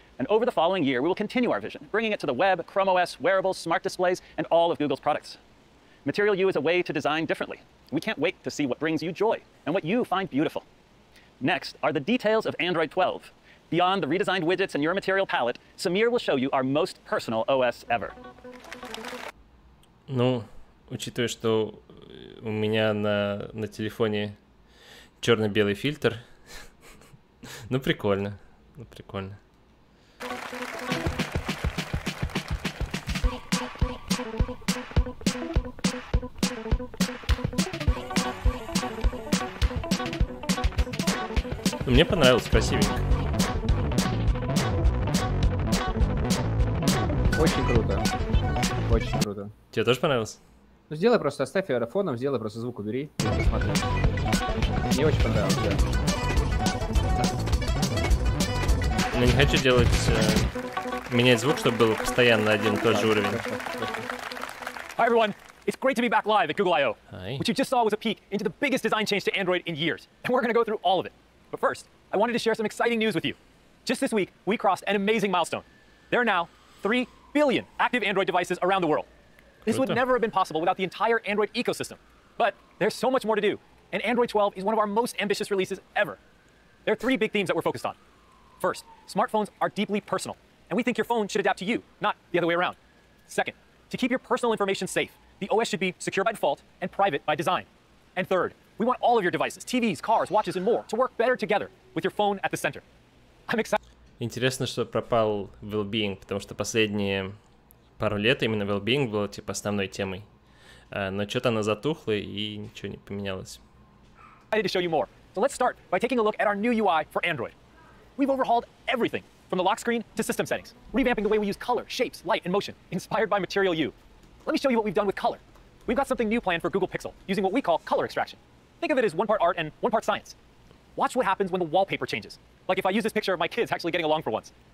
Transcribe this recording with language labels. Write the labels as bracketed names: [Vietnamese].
[English] And over the following year, we will continue our vision, bringing it to the web, Chrome OS, wearables, smart displays, and all of Google's products. Material U is a way to design differently. We can't wait to see what brings you joy and what you find beautiful. Next are the details of Android 12. Beyond the redesigned widgets and your material palette, Samir will show you our most personal OS ever. [Russian] Ну, учитывая, что у меня на телефоне черно-белый фильтр, ну прикольно, ну прикольно. Мне понравилось, красивенько. Очень круто. Очень круто. Тебе тоже понравилось? Ну, сделай просто, оставь ее фоном, сделай просто звук убери. И посмотри. Мне очень понравилось, да. Я не хочу менять звук, чтобы был постоянно один и тот же уровень. [English] Hi everyone, it's great to be back live at Google I/O. What you just saw was a peek into the biggest design change to Android in years, and we're going to go through all of it. But first, I wanted to share some exciting news with you. Just this week, we crossed an amazing milestone. There are now 3 billion active Android devices around the world. This would never have been possible without the entire Android ecosystem. But there's so much more to do, and Android 12 is one of our most ambitious releases ever. There are three big themes that we're focused on. First, smartphones are deeply personal, and we think your phone should adapt to you, not the other way around. Second, to keep your personal information safe, the OS should be secure by default and private by design. And third, we want all of your devices, TVs, cars, watches, and more to work better together with your phone at the center. I'm excited. [Russian] Интересно, что пропал well-being, потому что последние пару лет именно well-being было типа основной темой. Но что-то она затухла и ничего не поменялось. [English] I need to show you more. So let's start by taking a look at our new UI for Android. We've overhauled everything from the lock screen to system settings, revamping the way we use color, shapes, light, and motion, inspired by Material U. Let me show you what we've done with color. We've got something new planned for Google Pixel, using what we call color extraction. Think of it as one part art and one part science. Watch what happens when the wallpaper changes. Like if I use this picture of my kids actually getting along for once.